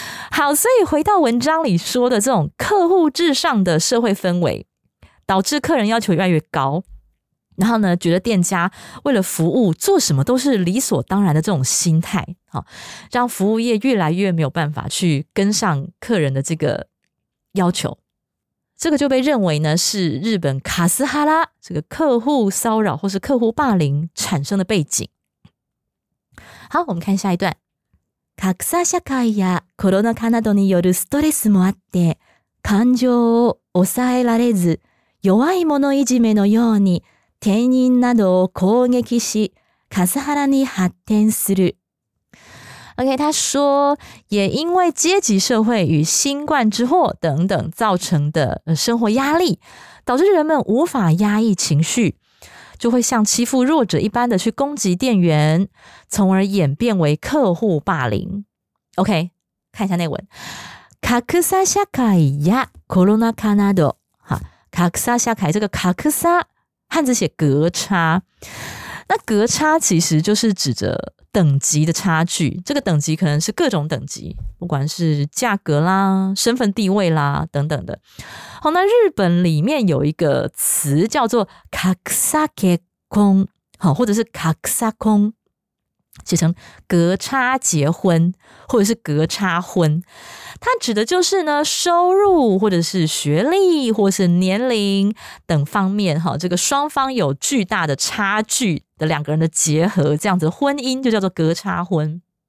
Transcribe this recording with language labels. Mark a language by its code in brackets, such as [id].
[zh] 好，所以回到文章里说的这种客户至上的社会氛围，导致客人要求越来越高，然后呢，觉得店家为了服务做什么都是理所当然的这种心态，让服务业越来越没有办法去跟上客人的这个要求。这个就被认为呢是日本卡斯哈拉这个客户骚扰或是客户霸凌产生的背景。好，我们看下一段。 [ja] 格差社会やコロナ禍などによるストレスもあって、感情を抑えられず、弱い者いじめのように店員などを攻撃し、カスハラに発展する。 [zh] OK， 他说，也因为阶级社会与新冠之祸等等造成的生活压力，导致人们无法压抑情绪，就会像欺负弱者一般的去攻击店员，从而演变为客户霸凌。 OK， 看一下内文。 [ja] 格差社会やコロナ禍など， [zh] 格差社会，这个格差汉字写格差，那格差其实就是指着等级的差距，这个等级可能是各种等级，不管是价格啦、身份地位啦等等的。好，那日本里面有一个词叫做格差結婚，好，或者是格差婚，写成格差结婚或者是格差婚，它指的就是呢收入或者是学历或者是年龄等方面，这个双方有巨大的差距的两个人的结合，这样子婚姻就叫做格差婚。